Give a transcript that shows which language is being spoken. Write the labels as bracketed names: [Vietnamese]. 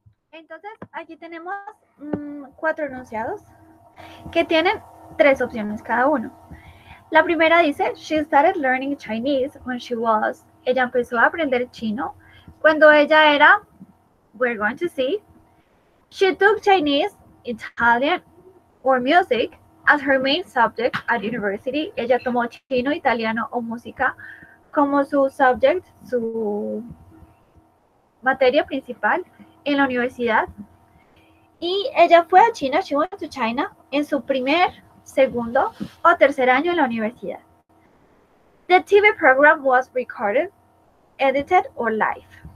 [Spanish] Entonces, aquí tenemos cuatro enunciados que tienen tres opciones cada uno. La primera dice, [English] she started learning Chinese when she was. [Spanish] Ella empezó a aprender chino cuando ella era, [English] we're going to see. She took Chinese, Italian, or music as her main subject at university. [Spanish] Ella tomó chino, italiano o música como su subject, su materia principal en la universidad, y ella fue a China, [English] she went to China, [Spanish] en su primer, segundo o tercer año en la universidad. [English] The TV program was recorded, edited, or live.